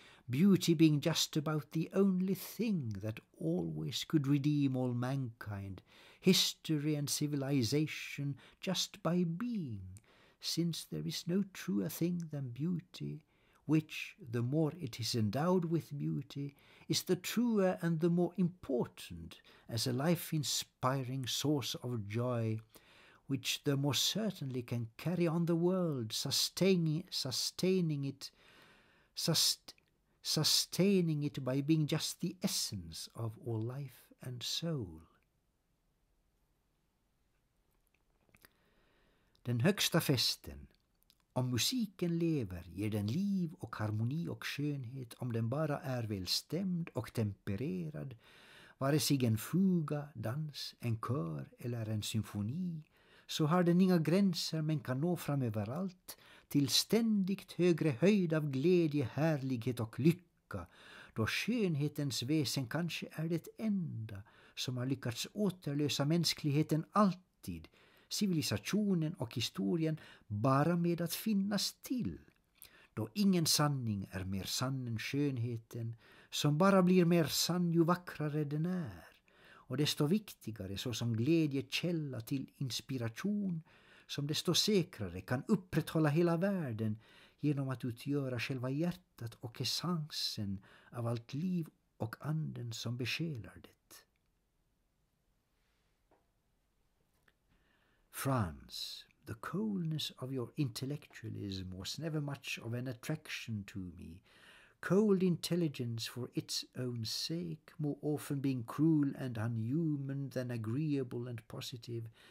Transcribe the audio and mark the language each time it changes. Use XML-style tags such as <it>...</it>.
<en>Beauty being just about the only thing that always could redeem all mankind, history and civilization just by being, since there is no truer thing than beauty, which, the more it is endowed with beauty, is the truer and the more important as a life-inspiring source of joy, which the more certainly can carry on the world, sustaining it by being just the essence of all life and soul.</en> <sv>Den högsta festen, om musiken lever, ger den liv och harmoni och skönhet, om den bara är välstämd och tempererad, vare sig en fuga, dans, en kör eller en symfoni, så har den inga gränser men kan nå fram överallt till ständigt högre höjd av glädje, härlighet och lycka, då skönhetens väsen kanske är det enda som har lyckats återlösa mänskligheten alltid, civilisationen och historien, bara med att finnas till. Då ingen sanning är mer sann än skönheten, som bara blir mer sann ju vackrare den är. Och desto viktigare såsom glädje källa till inspiration, som desto säkrare kan upprätthålla hela världen genom att utgöra själva hjärtat och essensen av allt liv och anden som besjälar det.</sv> <en>France, the coldness of your intellectualism was never much of an attraction to me. Cold intelligence for its own sake, more often being cruel and unhuman than agreeable and positive.</en>